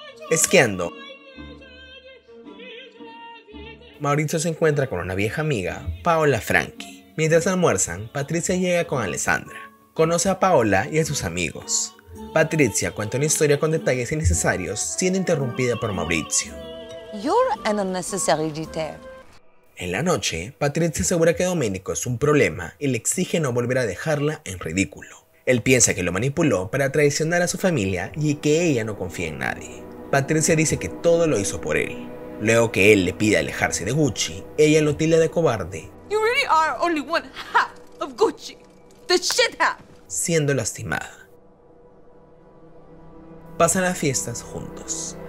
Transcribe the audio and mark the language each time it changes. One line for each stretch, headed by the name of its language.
Spanish: Esquiando, Maurizio se encuentra con una vieja amiga, Paola Franchi. Mientras almuerzan, Patricia llega con Alessandra. Conoce a Paola y a sus amigos. Patricia cuenta una historia con detalles innecesarios, siendo interrumpida por Maurizio.
English: You're an unnecessary detail.
Spanish: En la noche, Patricia asegura que Domenico es un problema y le exige no volver a dejarla en ridículo. Él piensa que lo manipuló para traicionar a su familia y que ella no confía en nadie. Patricia dice que todo lo hizo por él. Luego que él le pide alejarse de Gucci, ella lo tilda de cobarde.
English: You really are only one half of Gucci. The shit half.
Spanish: Siendo lastimada. Pasan las fiestas juntos.